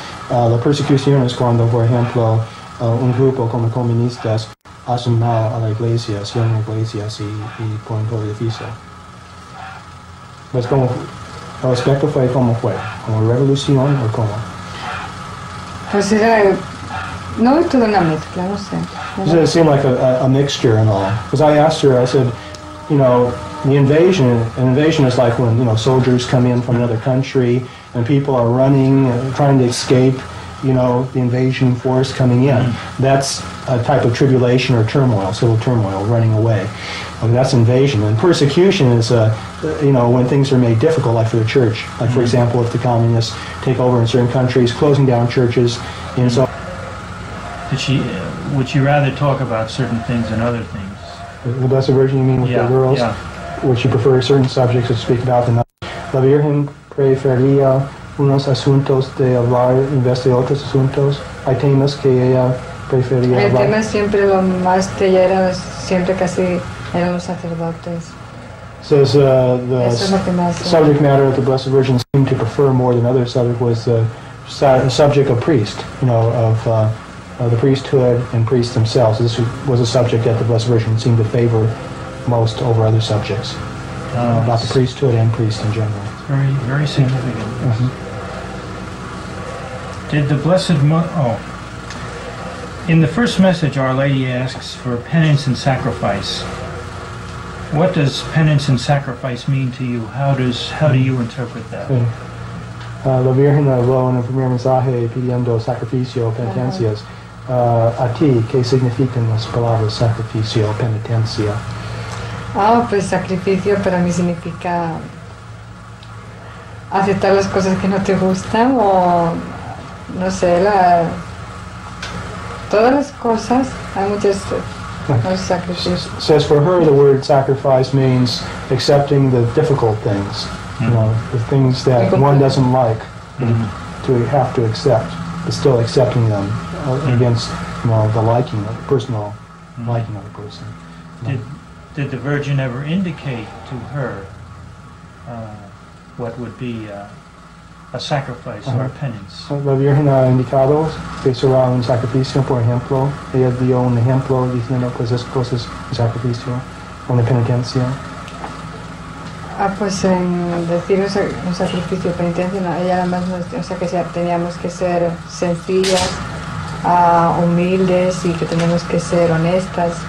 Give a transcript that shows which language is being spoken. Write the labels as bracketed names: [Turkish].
[Spanish] La persecución es cuando, por ejemplo, un grupo como comunistas hacen mal a la iglesia, cierran iglesias y ponen todo edificio. Pues como, el aspecto fue como fue, como revolución o como. Pues era, no es toda una mezcla, no sé. [English] Does it seem like a mixture and all? Because I asked her, I said, you know, the invasion, an invasion is like when, you know, soldiers come in from another country and people are running, trying to escape, you know, the invasion force coming in. That's a type of tribulation or turmoil, civil turmoil, running away. I mean, that's invasion. And persecution is, you know, when things are made difficult, like for the church. Like, mm-hmm. for example, if the communists take over in certain countries, closing down churches, and so. Did she? Would she rather talk about certain things than other things? The Blessed Virgin, you mean, with yeah, the girls? Yeah. Would she prefer certain subjects to speak about than others? [Spanish] La Virgen preferiría unos asuntos de hablar en vez de otros asuntos. Hay temas que ella prefería hablar. El tema siempre lo más que ella era, siempre casi eran los sacerdotes. [English] Says the subject matter that the Blessed Virgin seemed to prefer more than others was the subject of priest, you know, of the priesthood and priests themselves. This was a subject that the Blessed Virgin seemed to favor most over other subjects, about the priesthood and priests in general. Very, very significant. Mm-hmm. Did the Blessed in the first message, Our Lady asks for penance and sacrifice. What does penance and sacrifice mean to you? How do you interpret that? Mm-hmm. [Spanish] La Virgen habló en el primer mensaje pidiendo sacrificio, penitencias. A ti, ¿qué significan las palabras sacrificio, penitencia? Ah, pues sacrificio para mí significa aceptar las cosas que no te gustan o, no sé, todas las cosas, hay muchos sacrificios. [English] Says for her the word sacrifice means accepting the difficult things. You know, the things that one doesn't like to have to accept, but still accepting them against, you know, the liking, the personal liking of the person. Did the Virgin ever indicate to her what would be a sacrifice or a penance? [Spanish] La Virgen ha indicado que será un sacrificio, por ejemplo. Ella dio un ejemplo diciendo que esas cosas un sacrificio, una penitencia. Ah, pues en decir un sacrificio de penitencia, no, ella nada más, o sea, que sea, teníamos que ser sencillas, humildes y que teníamos que ser honestas.